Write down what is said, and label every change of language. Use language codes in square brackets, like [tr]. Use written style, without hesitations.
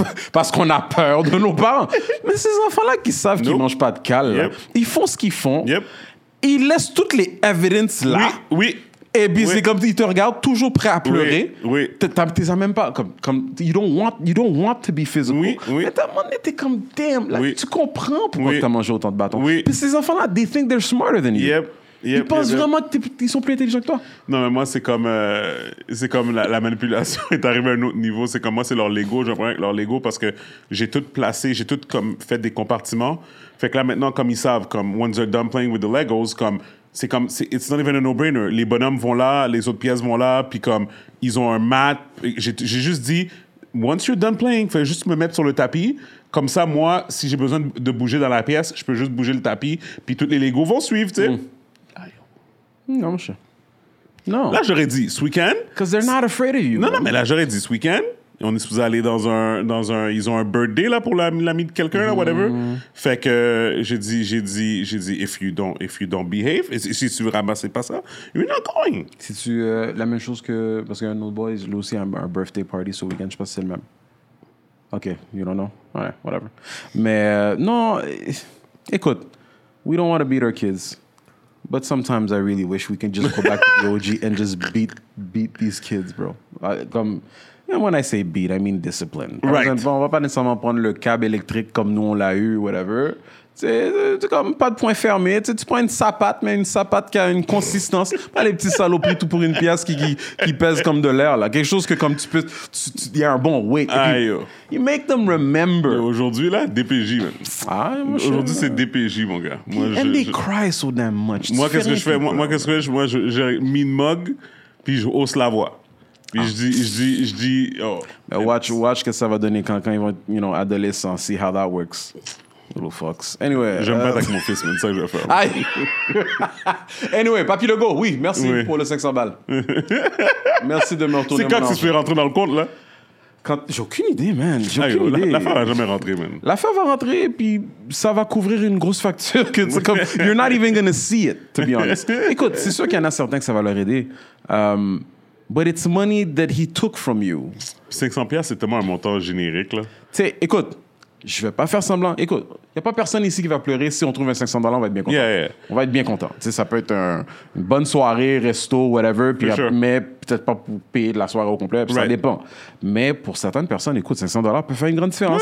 [fr] Parce qu'on a peur de nos parents. Mais ces enfants-là qui savent qu'ils mangent pas de cales, ils font ce qu'ils font. [en] Yep. [fr] Ils laissent toutes les evidence là. Oui. Et puis c'est comme ils te regardent toujours prêt à pleurer. T'es à même pas comme you don't want to be physical. Mais ta maman était comme damn. Like, tu comprends pourquoi t'as mangé autant de bâtons. [en] Puis ces enfants-là, they think they're smarter than you. [fr] Ils pensent vraiment qu'ils sont plus intelligents que toi. Non mais moi c'est comme la manipulation est arrivée à un autre niveau. C'est comme moi c'est leur Lego. J'ai un problème avec leur Lego parce que j'ai tout placé, j'ai tout comme fait des compartiments. [en] Fait que là maintenant comme ils savent comme once they're done playing with the Legos comme c'est comme, it's not even a no-brainer. [fr] Les bonhommes vont là, les autres pièces vont là, puis comme, ils ont un mat. J'ai juste dit, once you're done playing, fais juste me mettre sur le tapis. Comme ça, moi, si j'ai besoin de bouger dans la pièce, je peux juste bouger le tapis, puis tous les Legos vont suivre, tu sais. Non, mon chien. Non. Là, j'aurais dit, ce week-end. [en] Because they're not afraid of you. [fr] Non, mais là, j'aurais dit, ce week-end. On est supposé aller dans un ils ont un birthday là pour l'ami de quelqu'un là whatever. Fait que j'ai dit if you don't behave et si tu ramassais pas ça you're not going. Si tu la même chose que parce qu'un autre boy lui aussi a un birthday party ce week-end, je sais pas si c'est le même. [en] OK, you don't know. Ouais, whatever. Mais non, écoute, we don't want to beat our kids. But sometimes I really wish we can just go back to the OG and just beat these kids, bro. Comme and when I say beat, I mean discipline. Right. [fr] Exemple, on va pas nécessairement prendre le câble électrique comme nous on l'a eu, whatever. C'est comme pas de point fermé. Tu prends une sapate, mais une sapate qui a une consistance. Pas les petits saloperies tout pour une pièce qui pèse comme de l'air. Là. Quelque chose que comme tu peux... Il y a un bon weight. Puis, [en] you make them remember. [fr] Et aujourd'hui, là, DPJ. Man. Aujourd'hui, c'est DPJ, mon gars. [en] And they cry so damn much. [fr] Moi, qu'est-ce que je fais? Moi, qu'est-ce que je fais? Moi, j'ai mis une mug, puis je hausse la voix. Puis je dis, oh. [en] Watch que ça va donner quand ils vont, you know, adolescents, see how that works. Little fucks. Anyway. [fr] J'aime pas être avec mon fils, mais c'est ça que je vais faire. Aïe. Anyway, Papy Legault, oui, merci pour le 500 balles. Merci de me retourner. C'est quand que tu peux rentrer dans le compte, là? Quand, j'ai aucune idée, man. J'ai aucune idée. L'affaire va jamais rentrer, man. L'affaire va rentrer, puis ça va couvrir une grosse facture. Que c'est comme, you're not even gonna see it, to be honest. Écoute, c'est sûr qu'il y en a certains que ça va leur aider. [en] But it's money that he took from you. [fr] 500$, c'est tellement un montant générique, là. Tu sais, écoute, je vais pas faire semblant. Écoute, il y a pas personne ici qui va pleurer. Si on trouve un 500$, on va être bien content. On va être bien content. Tu sais, ça peut être une bonne soirée, resto, whatever. Mais peut-être pas pour payer de la soirée au complet. Ça dépend. Mais pour certaines personnes, écoute, 500$ peut faire une grande différence.